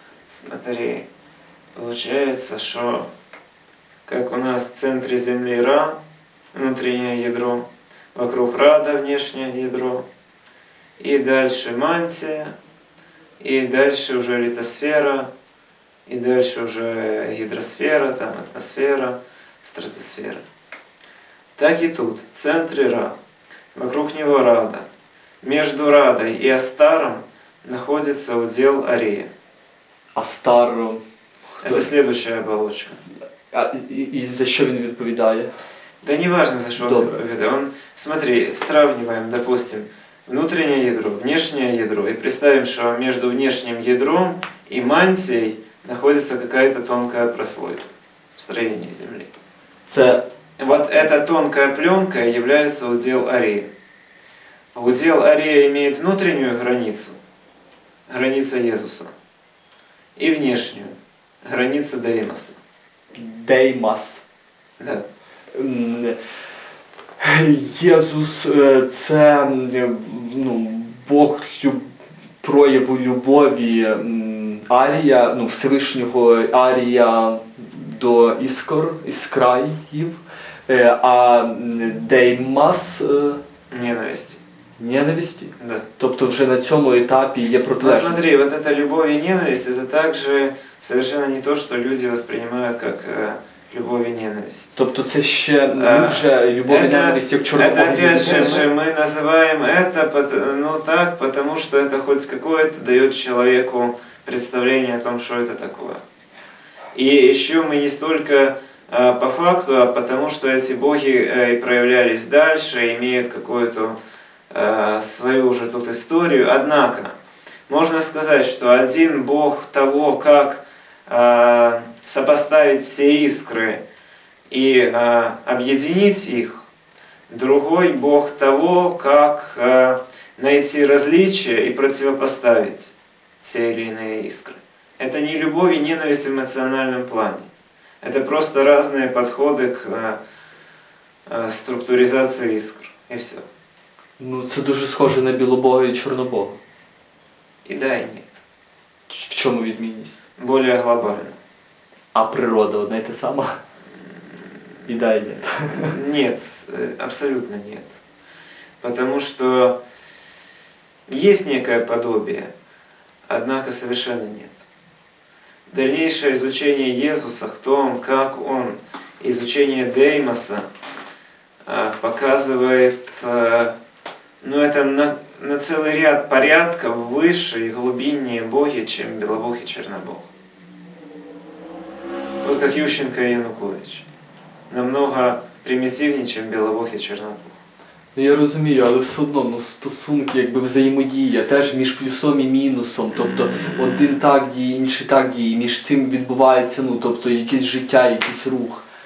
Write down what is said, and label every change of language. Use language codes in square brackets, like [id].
[uk] Смотри, виходить, що як у нас в центрі Землі Ра, внутрішнє ядро, [ru] вокруг Рада внешнє ядро, [uk] і далі Мантія, і далі вже літосфера, і далі вже гідросфера, там атмосфера, стратосфера. Так і тут, в центрі Ра, вокруг нього Рада. [ru] Между Радой и Астаром находится удел Арея. Астар... Кто? Это следующая оболочка. А, и за что он отвечает? Да не важно, за что он отвечает. Он, смотри, сравниваем, допустим, внутреннее ядро, внешнее ядро. И представим, что между внешним ядром и мантией находится какая-то тонкая прослойка в строении Земли. [uk] Це... [ru] Вот эта тонкая пленка является удел Арея. Удел Арея имеет внутреннюю границу, граница Иисуса, и внешнюю, граница Деймоса. Деймос. Да. Иисус – это ну, [uk] Бог прояву любові Арія, ну, Всевышнего Арія до іскор, іскраїв, а Деймос [ru] – ненависть. Ненависти? Да. [uk] Тобто вже на цьому етапі є протилежність. [ru] Ну смотри, вот эта любовь и ненависть, это также совершенно не то, что люди воспринимают как любовь и ненависть. [uk] Тобто це ще вже [ru] любовь это, и ненависть, [uk] як чорно-білий. [ru] Это опять же, мы называем это, ну так, потому что это хоть какое-то дает человеку представление о том, что это такое. И еще мы не столько по факту, а потому что эти боги и проявлялись дальше, имеют какую-то свою уже тут историю, однако можно сказать, что один бог того, как сопоставить все искры и объединить их, другой бог того, как найти различия и противопоставить те или иные искры. Это не любовь и ненависть в эмоциональном плане, это просто разные подходы к структуризации искр и все. [uk] Ну, це дуже схоже на Білобога і Чорнобога. І да, і ні. В чому відмінність? Більш глобально. А природа одна й та сама? І да, і ні. Ні, абсолютно ні. Тому що є [ru] некое подобие, однако совершенно ні. [uk] Дальніше изучение Єзуса, хто он, як он, изучение Деймоса показує... [ru] Ну это на целый ряд порядков выше и глубиннее боги, чем Белобог и Чернобог. Вот как Ющенко и Янукович. Намного примитивнее, чем Белобог и Чернобог. [uk] Ну я розумію, але все одно, ну стосунки, якби взаємодія, теж між плюсом і мінусом, тобто один так діє, інший так діє, між цим відбувається, ну тобто якесь життя, якийсь рух.